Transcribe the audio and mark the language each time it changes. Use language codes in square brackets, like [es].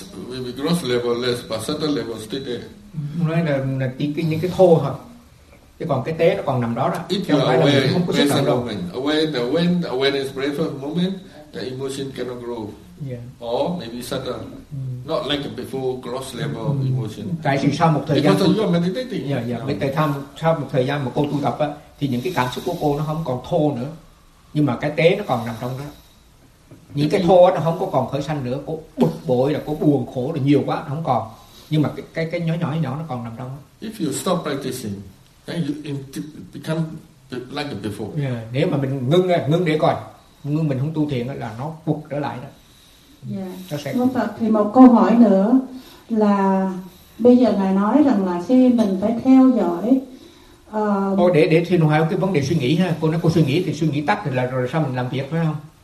[en] Maybe gross level less, but certain level still there. [vi] Nói là những cái thô thôi. Chứ còn cái tế nó còn nằm đó đó. [en] If you are aware, when the awareness breaks for a moment, the emotion cannot grow. Yeah. Or maybe certain. Not like before gross level emotion. [vi] Tại vì sau một thời gian... [en] Because you are meditating. [vi] Sau một thời gian mà cô tu tập á, thì những cái cảm xúc của cô nó không còn thô nữa. Nhưng mà cái tế nó còn nằm trong đó. Những cái thô nó không có còn khởi sanh nữa. Cô bực bội, là cô buồn khổ là nhiều quá, nó không còn. Nhưng mà cái nhỏ nó còn nằm trong đó. [en] If you stop practicing, then you become like before. [vi] Yeah. Nếu mà mình ngưng để coi. Ngưng mình không tu thiền là nó bực trở lại đó. Dạ. Yeah. Sẽ... Thì một câu hỏi nữa là bây giờ Ngài nói rằng là khi mình phải theo dõi. Để thì nó hay cái vấn đề suy nghĩ ha. Cô nói cô suy nghĩ thì suy nghĩ tắt thì là rồi sao mình làm việc phải không?